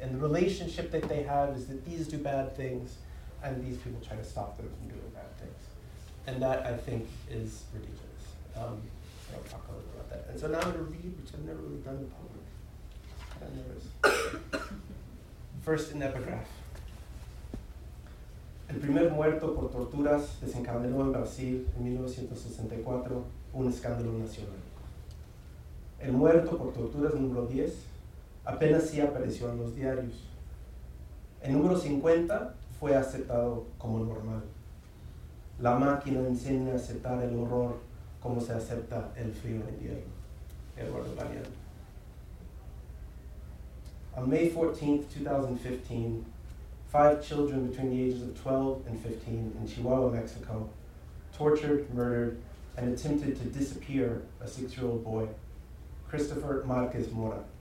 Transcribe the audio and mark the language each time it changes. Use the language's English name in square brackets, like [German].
[English] And the relationship that they have is that these do bad things, and these people try to stop them from doing bad things. And that, I think, is ridiculous. I'll talk a little about that. And so now I'm going to read, which I've never really done in public. First, an epigraph. [Spanish] El primer muerto por torturas desencadenó en Brasil en 1964 un escándalo nacional. El muerto por torturas número 10 apenas sí apareció en los diarios. El número 50 fue aceptado como normal. La máquina enseña a aceptar el horror como se acepta el frío en invierno. Eduardo Galeano. [English] On May 14th, 2015, five children between the ages of 12 and 15 in Chihuahua, Mexico, tortured, murdered, and attempted to disappear a six-year-old boy, Christopher Marquez Mora.